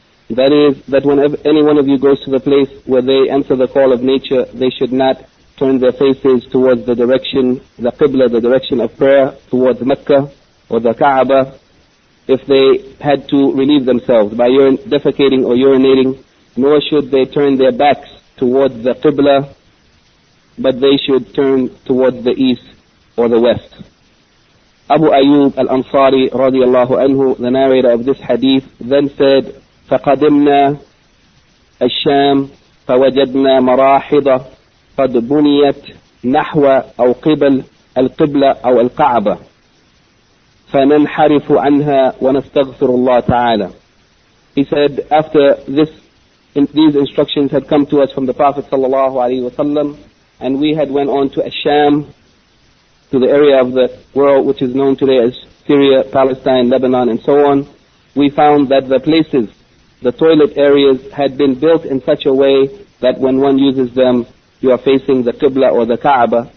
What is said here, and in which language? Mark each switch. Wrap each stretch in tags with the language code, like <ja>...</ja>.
<en>That is, that when any one of you goes to the place where they answer the call of nature, they should not turn their faces towards the direction, the Qibla, the direction of prayer, towards Mecca or the Kaaba. If they had to relieve themselves by defecating or urinating, nor should they turn their backs towards the Qibla, but they should turn towards the east or the west. Abu Ayyub al-Ansari radiallahu anhu, the narrator of this hadith, then said,</en> <ar>فقدمنا الشام فوجدنا مراحضة قد بنيت نحو أو قبل القبلة أو القعبة فننحرف عنها ونستغفر الله تعالى.</ar> <en>He said, after this, these instructions had come to us from the Prophet sallallahu alaihi wasallam, and we had went on to Al-Sham, to the area of the world which is known today as Syria, Palestine, Lebanon, and so on, we found that the places, the toilet areas, had been built in such a way that when one uses them, you are facing the Qibla or the Kaaba.</en>